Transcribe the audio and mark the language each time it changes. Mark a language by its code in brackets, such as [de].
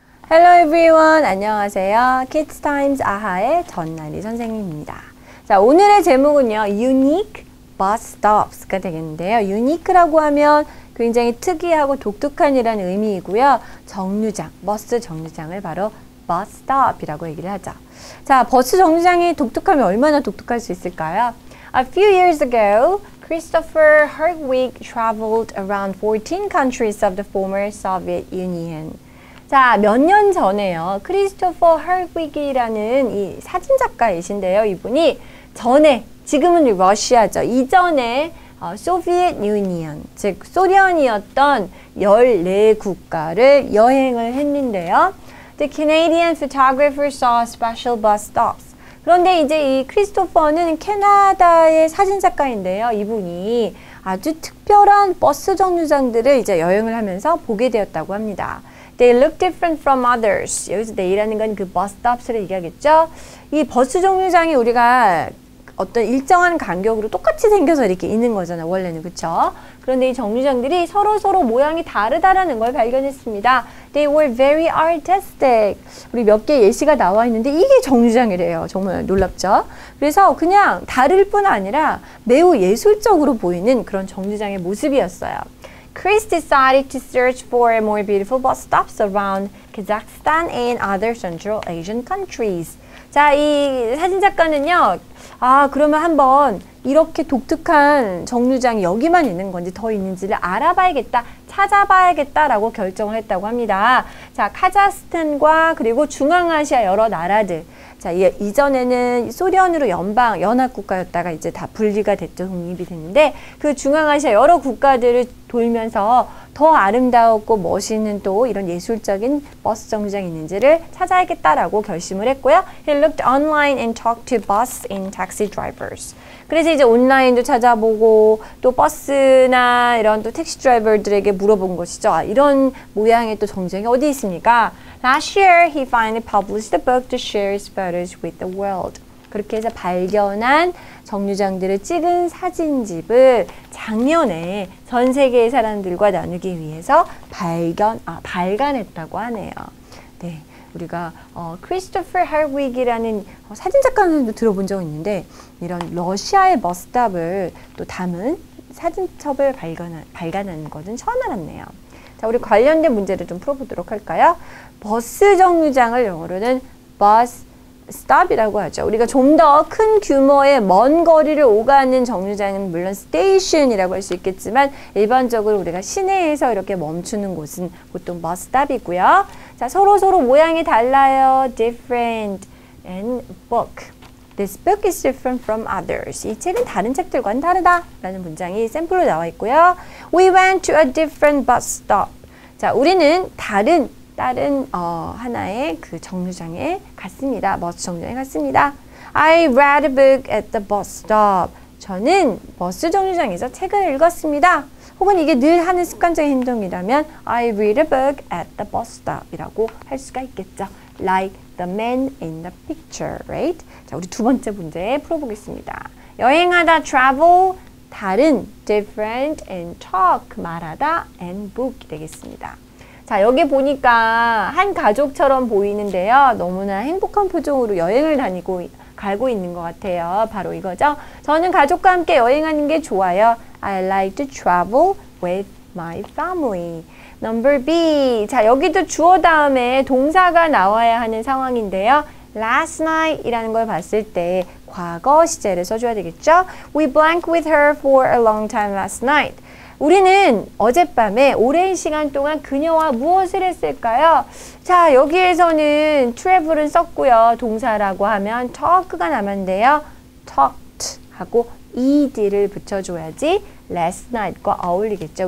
[en] Hello everyone, [ko] 안녕하세요. Kids Times 아하의 전나리 선생님입니다. 자, 오늘의 제목은요, Unique Bus Stops가 되겠는데요. Unique라고 하면 굉장히 특이하고 독특한이라는 의미이고요. 정류장, 버스 정류장을 바로 Bus Stop이라고 얘기를 하죠. 자, 버스 정류장이 독특하면 얼마나 독특할 수 있을까요? [en] A few years ago, Christopher Hardwick traveled around 14 countries of the former Soviet Union. [ko] 자, 몇 년 전에요. 크리스토퍼 헐윅이라는 이 사진작가이신데요. 이분이 전에, 지금은 러시아죠. 이전에 소비엣 유니언, 즉 소련이었던 14국가를 여행을 했는데요. [en] The Canadian photographer saw special bus stops. [ko] 그런데 이제 이 크리스토퍼는 캐나다의 사진작가인데요. 이분이 아주 특별한 버스 정류장들을 이제 여행을 하면서 보게 되었다고 합니다. [en] They look different from others. [ko] 여기서 they라는 건 그 bus stops를 얘기하겠죠. 이 버스 정류장이 우리가 어떤 일정한 간격으로 똑같이 생겨서 이렇게 있는 거잖아요. 원래는 그렇죠. 그런데 이 정류장들이 서로 모양이 다르다라는 걸 발견했습니다. [en] They were very artistic. [ko] 우리 몇 개 예시가 나와 있는데 이게 정류장이래요. 정말 놀랍죠. 그래서 그냥 다를 뿐 아니라 매우 예술적으로 보이는 그런 정류장의 모습이었어요. [en] Chris decided to search for more beautiful bus stops around Kazakhstan and other Central Asian countries. [ko] 자, 이 사진작가는요. 아, 그러면 한번 이렇게 독특한 정류장이 여기만 있는 건지 더 있는지를 알아봐야겠다, 찾아봐야겠다라고 결정을 했다고 합니다. 자, 카자흐스탄과 그리고 중앙아시아 여러 나라들. 자, 이전에는 소련으로 연방, 연합국가였다가 이제 다 분리가 됐죠. 독립이 됐는데 그 중앙아시아 여러 국가들을 돌면서 더 아름다웠고 멋있는 또 이런 예술적인 버스 정류장이 있는지를 찾아야겠다라고 결심을 했고요. [en] He looked online and talked to bus and taxi drivers. [ko] 그래서 이제 온라인도 찾아보고 또 버스나 이런 또 택시 드라이버들에게 물어본 것이죠. 아, 이런 모양의 또 정류장이 어디 있습니까? [en] Last year, he finally published a book to share his photos with the world. [ko] 그렇게 해서 발견한 정류장들을 찍은 사진집을 작년에 전 세계의 사람들과 나누기 위해서 발간했다고 하네요. 네. 우리가 크리스토퍼 헐윅이라는 사진작가님도 들어본 적 있는데 이런 러시아의 버스탑을 또 담은 사진첩을 발간한 것은 처음 알았네요. 자, 우리 관련된 문제를 좀 풀어보도록 할까요? 버스 정류장을 영어로는 bus stop이라고 하죠. 우리가 좀 더 큰 규모의 먼 거리를 오가는 정류장은 물론 station이라고 할 수 있겠지만 일반적으로 우리가 시내에서 이렇게 멈추는 곳은 보통 bus stop이고요. 자, 서로 모양이 달라요. [en] Different and book. This book is different from others. [ko] 이 책은 다른 책들과는 다르다 라는 문장이 샘플로 나와 있고요. [en] We went to a different bus stop. [ko] 자, 우리는 다른 하나의 그 정류장에 갔습니다. 버스 정류장에 갔습니다. [en] I read a book at the bus stop. [ko] 저는 버스 정류장에서 책을 읽었습니다. 혹은 이게 늘 하는 습관적인 행동이라면 [en] I read a book at the bus stop [ko] 이라고 할 수가 있겠죠. [en] Like the man in the picture, right? [ko] 자, 우리 두 번째 문제 풀어보겠습니다. 여행하다, travel, 다른, different, and talk, 말하다, and book 되겠습니다. 자, 여기 보니까 한 가족처럼 보이는데요. 너무나 행복한 표정으로 여행을 가고 있는 것 같아요. 바로 이거죠. 저는 가족과 함께 여행하는 게 좋아요. [en] I like to travel with my family. Number B. [ko] 자, 여기도 주어 다음에 동사가 나와야 하는 상황인데요. Last night 이라는 걸 봤을 때 과거 시제를 써줘야 되겠죠. [en] We blank with her for a long time last night. [ko] 우리는 어젯밤에 오랜 시간 동안 그녀와 무엇을 했을까요? 자, 여기에서는 travel은 썼고요. 동사라고 하면 talk가 남았는데요. talked 하고 ed를 붙여줘야지 last night과 어울리겠죠.